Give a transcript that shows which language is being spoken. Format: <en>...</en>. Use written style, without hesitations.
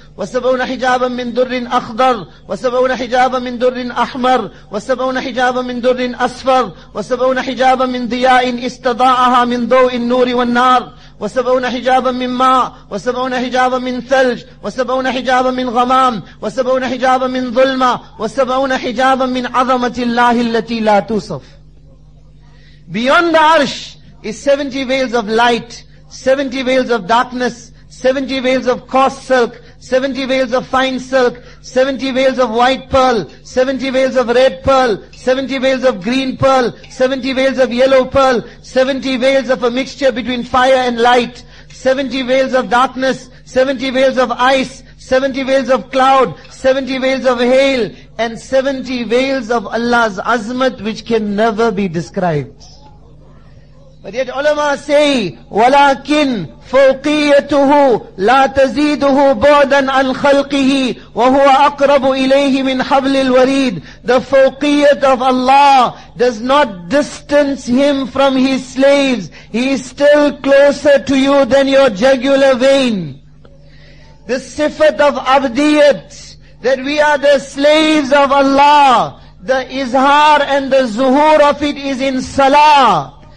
<ar>وسبعون حجابا من در أخضر وسبعون حجابا من در أحمر وسبعون حجابا من در أصفر وسبعون حجابا من ضياء استضاءها من ضوء النور والنار وسبعون حجابا من ماء وسبعون حجابا من ثلج وسبعون حجابا من غمام وسبعون حجابا من ظلمة وسبعون حجابا من عظمة الله التي لا توصف.</ar> <en>Beyond the arsh is 70 veils of light, 70 veils of darkness, 70 veils of coarse silk, 70 veils of fine silk, 70 veils of white pearl, 70 veils of red pearl, 70 veils of green pearl, 70 veils of yellow pearl, 70 veils of a mixture between fire and light, 70 veils of darkness, 70 veils of ice, 70 veils of cloud, 70 veils of hail, and 70 veils of Allah's azmat which can never be described. But yet ulama say,</en> <ar>وَلَكِنْ فَوْقِيَتُهُ لَا تَزِيدُهُ بُعْدًا عَنْ خَلْقِهِ وَهُوَ أَقْرَبُ إِلَيْهِ مِنْ حَبْلِ الْوَرِيدِ.</ar> <en>The fawqiyat of Allah does not distance Him from His slaves. He is still closer to you than your jugular vein. The sifat of abdiyat, that we are the slaves of Allah, the izhar and the zuhur of it is in salah.</en>